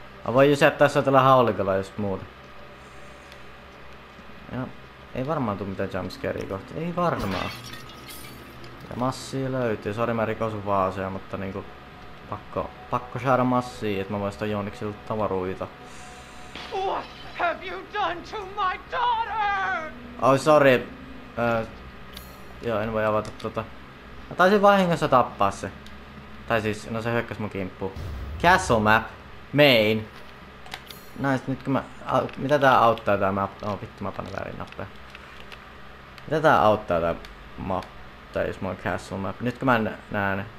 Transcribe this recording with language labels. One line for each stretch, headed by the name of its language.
Finnish: Mä voin jysättää sua tällä haulikolla, jos muuta. Ja, ei varmaan tuu mitään jumpscaria kohta. Ei varmaan. Ja massia löytyy. Sori, mä rikosun vaaseja, mutta niinku... Pakko saada massia, että mä voin sitä Jooniksilta tavaruita.
English: What have you done to my daughter?
Finnish: Oh, sorry. Joo, en voi avata tota. Mä taisin vahingossa tappaa se. Tai siis, no se hyökkäs mun kimppuun.
English: Castle map. Main. Nice,
Finnish: nyt kun mä... mitä tää auttaa tää map? Oh, vittu, mä panen väärin nappeja. Mitä tää auttaa tää map? Tai jos mulla on castle map. Nyt kun mä näen...